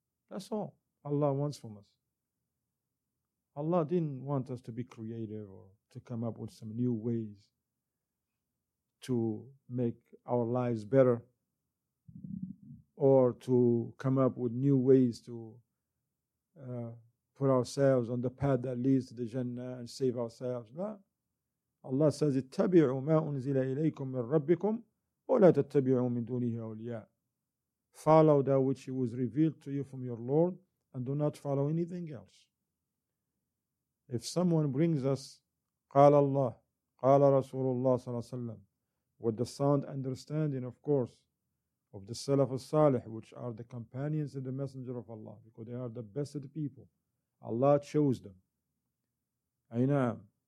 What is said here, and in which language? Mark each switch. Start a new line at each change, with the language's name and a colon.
English: That's all Allah wants from us. Allah didn't want us to be creative or to come up with some new ways to make our lives better or to come up with new ways to put ourselves on the path that leads to the Jannah and save ourselves. No. Allah says,
Arabic: اتَّبِعُوا مَا أُنزِلَ إِلَيْكُم مِّن رَبِّكُمْ وَلَا تَتَّبِعُوا مِن دُونِهِ أَوْلِيَاءَ.
English: Follow that which was revealed to you from your Lord and do not follow anything else. If someone brings us,
Arabic: قَالَ اللَّهُ قَالَ رَسُولُ اللَّهِ صَلَّى اللَّهُ عَلَيْهِ وَسَلَّمَ,
English: with the sound understanding, of course, of the Salaf al-Salih, which are the companions of the Messenger of Allah, because they are the best of the people. Allah chose them. Aynam.